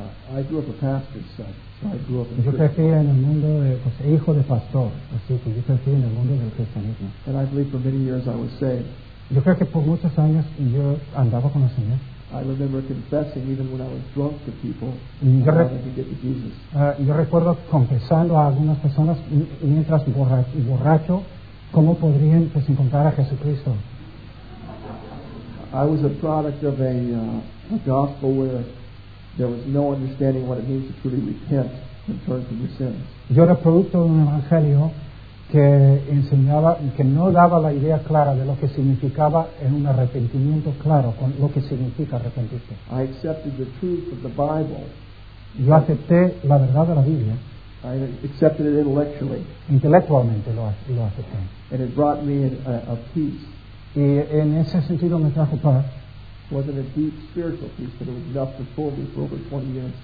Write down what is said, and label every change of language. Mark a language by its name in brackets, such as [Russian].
[English] I grew up a pastor's son, so I grew up in [Spanish] Yo crecí en el mundo, hijo de pastor, así que yo crecí en el mundo del cristianismo. [English] And I believe for many years I was saved. [Spanish] Yo creo que por muchos años yo andaba con el Señor. [English] I remember confessing even when I was drunk to people. [Spanish] Yo recuerdo confesando a algunas personas mientras borracho cómo podrían pues encontrar a Jesucristo. [English] I was a product of a gospel where there was no understanding what it means to truly repent and turn from your sins. [Spanish] Yo era producto de un evangelio que enseñaba que no daba la idea clara de lo que significaba en un arrepentimiento claro con lo que significa arrepentirse. [English] I accepted the truth of the Bible. [Spanish] Yo acepté la verdad de la Biblia. [English] I accepted it intellectually. [Spanish] Intelectualmente lo acepté. [English] And it brought me a peace. [Spanish] Y en ese sentido me trajo paz. [English] Wasn't a deep spiritual peace, but it was enough to fool me for over 20 years.